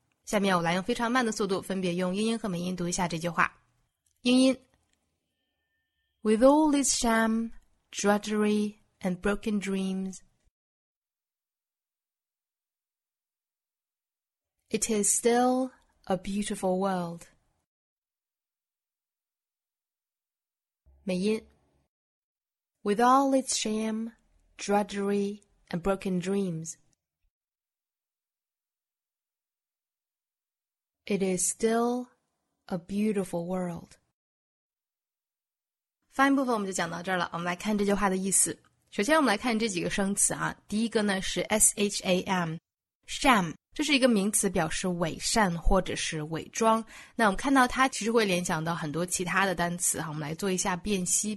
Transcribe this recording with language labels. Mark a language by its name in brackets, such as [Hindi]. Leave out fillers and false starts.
[Chinese] 下面我来用非常慢的速度分别用英音和美音读一下这句话。 [English] 英音 With all its sham, drudgery and broken dreams,It is still a beautiful world. 美音 With all its sham, drudgery, and broken dreams, It is still a beautiful world. [Chinese] 发音部分我们就讲到这儿了，我们来看这句话的意思。首先我们来看这几个生词啊，第一个呢是 sham, sham. 这是一个名词，表示伪善或者是伪装。那我们看到它其实会联想到很多其他的单词哈，我们来做一下辨析。